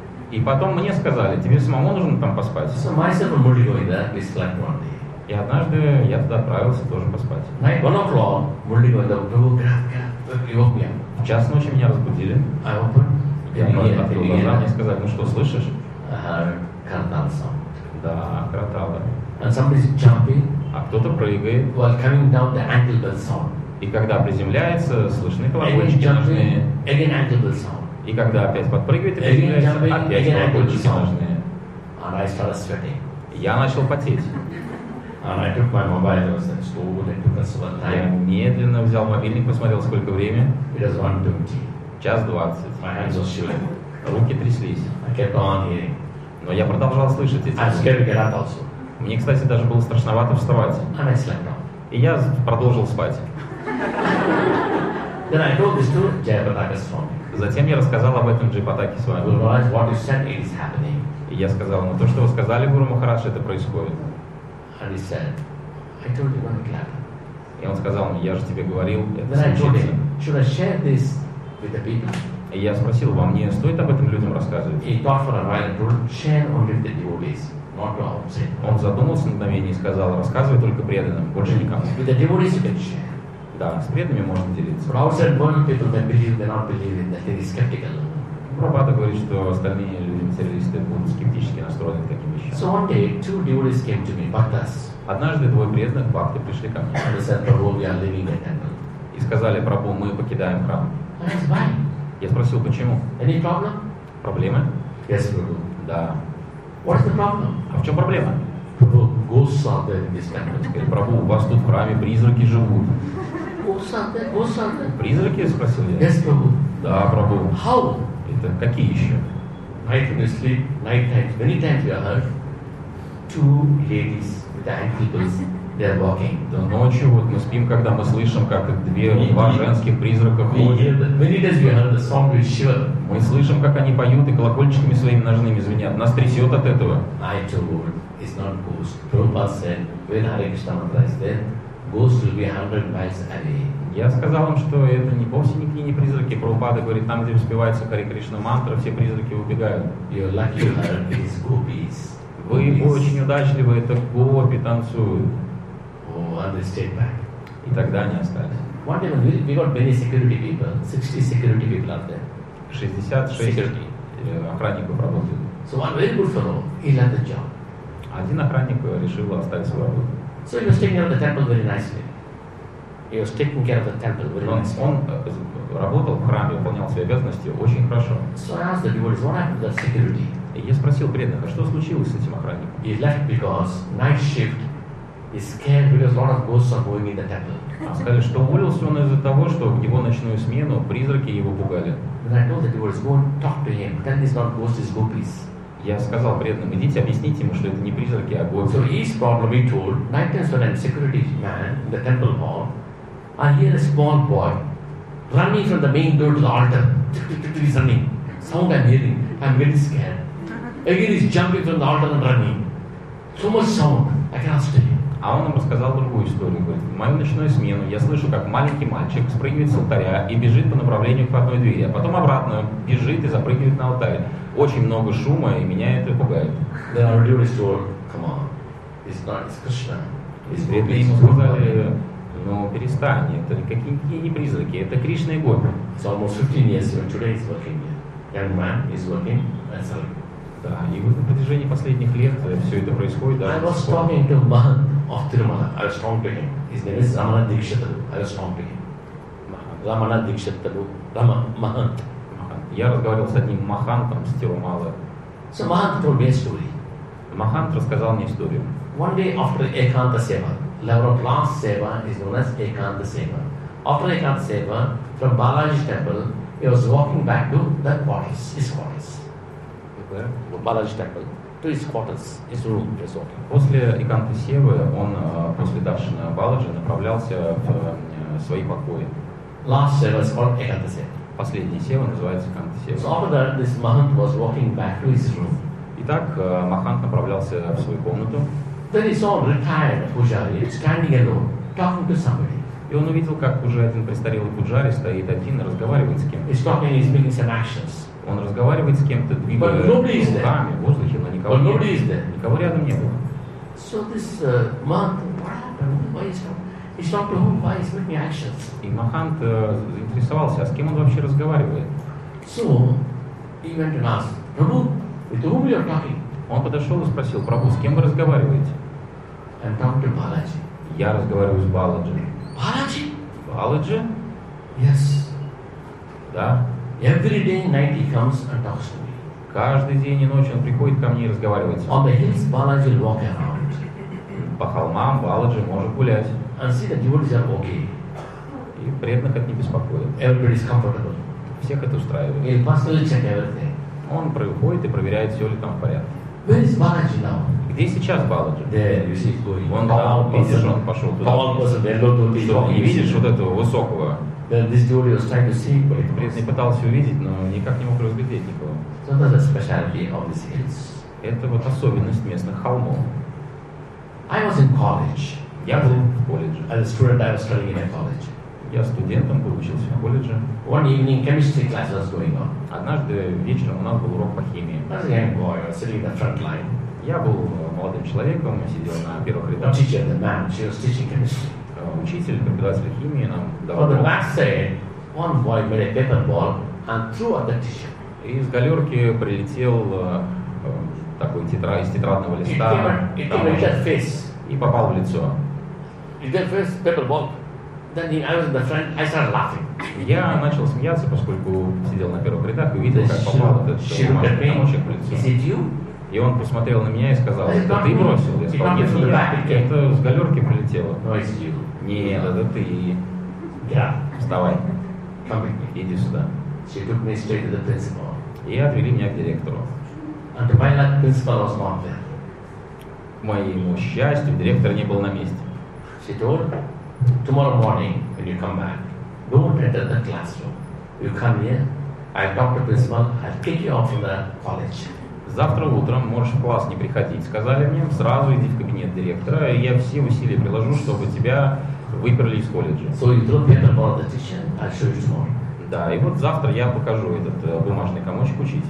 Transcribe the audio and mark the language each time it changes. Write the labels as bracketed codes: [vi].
[ru] И потом мне сказали, тебе самому нужно там поспать. [en] So myself and Murli Govinda, we slept one day. [ru] И однажды я туда отправился тоже поспать. [en] Night, 1 o'clock, Murli Govinda, we woke up. [ru] В час ночи меня разбудили. [en] I opened. [ru] Я открыл глаза, мне сказали, ну что, слышишь? Каратал сам. Да, каратал. [en] And somebody's jumping. [ru] А кто-то прыгает. [en] While coming down the ankle bell song. [ru] И когда приземляется, слышны колокольчики ножные. [en] Again ankle bell song. [ru] И когда опять подпрыгивает и приземляется, опять колокольчики ножные. [en] And I started sweating. [ru] Я начал потеть. [en] And I took my mobile, it was like school, it took us a long time. [ru] Я медленно взял мобильник, посмотрел, сколько время. [en] It was 1:20. [ru] 1:20. [en] My hands were shivering. [ru] Руки тряслись. [en] I kept on hearing. [ru] Но я продолжал слышать эти звуки. [en] I was scared to get out also. [ru] Мне, кстати, даже было страшновато вставать. [en] And I slept on. [ru] И я продолжил спать. [en] Then I told this to Jayapataka Swami. [ru] Затем я рассказал об этом Джайапатаке с вами. [en] We realized what you said is happening. [ru] И я сказал ему, то, что вы сказали, Гуру Махарадж, это происходит. [en] And he said, I told you what happened. [ru] И он сказал мне, я же тебе говорил, это [en] Then Then I told him, should I share this with the people? [ru] И я спросил, вам не стоит об этом людям рассказывать? [en] He thought for a while and told, share only with the devotees. [ru] Он задумался на мгновение и сказал, рассказывай только преданным, больше никому. [en] With the devotees you can share. [ru] Да, с преданными можно делиться. [en] Outside born people that believe, they not believe in that, they're skeptical. [ru] Прабхупада говорит, что остальные люди, материалисты, будут скептически настроены к таким вещам. [en] So one day, two devotees came to me, bhaktas. [ru] Однажды двое преданных бхакты пришли ко мне. [en] And they said, Prabhu, we are leaving the temple. [ru] И сказали, Прабху, мы покидаем храм. [en] Why? [ru] Я спросил, почему? [en] Any problem? [ru] Проблемы? [en] Yes, Prabhu. [ru] Да. [en] What is the problem? [ru] А в чем проблема? [en] Prabhu, ghosts are there in this temple. [ru] Прабху, у вас тут в храме призраки живут. [en] Ghosts are there, ghosts are there. [ru] Призраки, спросил я. [en] Yes, Prabhu. [ru] Да, Прабху. [en] How? [ru] Это какие еще? Night when you sleep, night times, many times you heard two ladies with the ankle bells, they're walking. Да ночью вот мы спим, когда мы слышим, как два женских призрака ходят. Many times we heard the song will shiver. Мы слышим, как они поют и колокольчиками своими ножными звенят. Нас трясет от этого. [en] I told, it's not ghost. Prabhupada said, when Hare Krishna Mantra is there, ghost will be 100 miles away. [ru] Я сказал им, что это не вовсе никакие не призраки. Прабхупада говорит, там, где воспевается Хари Кришна мантра, все призраки убегают. [en] You're lucky, it's gopis. [ru] Вы очень удачливы, это гопи танцуют. [en] Oh, and they stayed back. [ru] И тогда они остались. [en] What happened? We got many security people. 60 security people out there. [ru] 66 охранников работают. [en] So one very good fellow, he left the job. [ru] Один охранник решил оставить свою работу. [en] So he was taking care of the temple very nicely. He was taking care of the temple very nicely. [ru] Он работал в храме, выполнял свои обязанности очень хорошо. [en] So I asked the devotees, what happened to the security? [ru] Я спросил преданных, а что случилось с этим охранником? [en] He left because night shift is scared because a lot of ghosts are going in the temple. [ru] Сказали, что уволился он из-за того, что в его ночную смену призраки его пугали. [en] Then I told the devotees, go and talk to him. Then this not ghost is gopis. [ru] Я сказал преданным, идите объясните ему, что это не призраки, а гопи. [en] So his problem, he told, night times when I'm security man in the temple hall, I hear a small boy running from the main door to the altar. He's running. Sound I'm hearing. I'm getting scared. Again he's jumping from the altar and running. So much sound. I cannot stay. [ru] А он нам рассказал другую историю. Говорит, в мою ночную смену я слышу, как маленький мальчик спрыгивает с алтаря и бежит по направлению к входной двери, а потом обратно бежит и запрыгивает на алтарь. Очень много шума, и меня это пугает. [en] Then our devotees told, come on, it's not, it's Krishna. It's [ru] Преданные ему сказали, ну перестань, это никакие не призраки, это Кришна и Гопи. [en] It's almost 15 years ago, today he's working here. Young man is working, that's all. [ru] Да, и вот на протяжении последних лет все это происходит. [en] I was talking to man of Tirumala. I was talking to him. His name is Ramana Dikshatabu. I was talking to him. Ramana Dikshatabu. Ramana Mahant. Mahant. [ru] Я разговаривал с одним махантом с Тирумалы. [en] So Mahant told me a story. [ru] Махант рассказал мне историю. [en] One day after Ekanta Seva, level of last Seva is known as Ekanta Seva. After Ekanta Seva, from Balaji Temple, he was walking back to the quarters, his quarters. Where? Balaji Temple. To his quarters, his room, he was walking. [ru] После Эканты Севы, он после Даршана Баладжи направлялся в свои покои. [en] Last Seva is called Ekanta Seva. [ru] Последняя сева называется Эканта Сева. [en] So after that, this Mahant was walking back to his room. [ru] Итак, Махант направлялся в свою комнату. [en] Then he saw a retired pujari standing alone, talking to somebody. [ru] И он увидел, как уже один престарелый пуджари стоит один и разговаривает с кем-то. [en] He's talking, he's making some actions. [ru] Он разговаривает с кем-то, двигая руками в воздухе, но никого [en] But [ru] нет. [en] Nobody is there. [ru] Никого рядом не было. [en] So this Mahant, what happened? Why is he talking? He's talking to whom? Why is he making actions? [ru] И Махант заинтересовался, а с кем он вообще разговаривает? [en] So he went and asked, Prabhu, with whom you are talking? [ru] Он подошел и спросил, Прабу, с кем вы разговариваете? [en] I'm talking to Balaji. [ru] Я разговариваю с Баладжи. [en] Balaji? [ru] Balaji? [en] Yes. [ru] Да. [en] Every day and night he comes and talks to me. [ru] Каждый день и ночь он приходит ко мне и разговаривает. [en] On the hills, Balaji will walk around. [ru] По холмам Баладжи может гулять. [en] And see that devotees are okay. [ru] И преданных это не беспокоит. [en] Everybody is comfortable. [ru] Всех это устраивает. [en] He'll personally check everything. [ru] Он приходит и проверяет, все ли там в порядке. [en] Where is Balaji now? [ru] Где сейчас Баладжи? [en] There, you see, going. [ru] Вон там, видишь, он пошел туда. [en] Tall person, yellow dhoti. [ru] И видишь вот этого высокого. [en] Then this devotee was trying to see, but [ru] этот преданный пытался увидеть, но никак не мог разглядеть никого. [en] So that's the specialty of these hills. [ru] Это вот особенность местных холмов. [en] I was in college. [ru] Я был в колледже. [en] As a student, I was studying in a college. [ru] Я студентом был, учился в колледже. [en] One evening, chemistry class was going on. [ru] Однажды вечером у нас был урок по химии. [en] As a young boy, sitting in the front line. [ru] Я был молодым человеком, сидел на первых рядах. [en] The teacher, the man, she was teaching chemistry. [ru] Учитель, преподаватель химии нам давал. [en] For the last day, one boy made a paper ball and threw at the teacher. [ru] Из галерки прилетел такой тетрад из тетрадного листа. [en] It came at his face. [ru] И попал в лицо. [en] Is that first paper ball? Then he, I was in the front. I started laughing. [ru] Я начал смеяться, поскольку сидел на первых рядах и увидел, как попал этот камушек в лицо. [en] Is it you? [ru] И он посмотрел на меня и сказал: "Это ты бросил?" Я сказал: "Нет, не я. Это с галерки прилетело." [en] No, it's you. [ru] Нет, это ты. [en] Yeah. [ru] Вставай. [en] Come with me. [ru] Иди сюда. [en] She took me straight to the principal. [ru] И отвели меня к директору. [en] And to my luck, principal was not there. [ru] К моему счастью, директор не был на месте. [en] She told, tomorrow morning, when you come back, don't enter the classroom. You come here, I'll talk to the principal, I'll kick you off from the college. [ru] Завтра утром можешь в класс не приходить, сказали мне, сразу иди в кабинет директора, и я все усилия приложу, чтобы тебя выперли из колледжа. [en] So you throw paper ball at the teacher, I'll show you tomorrow. [ru] Да, и вот завтра я покажу этот бумажный комочек учителю.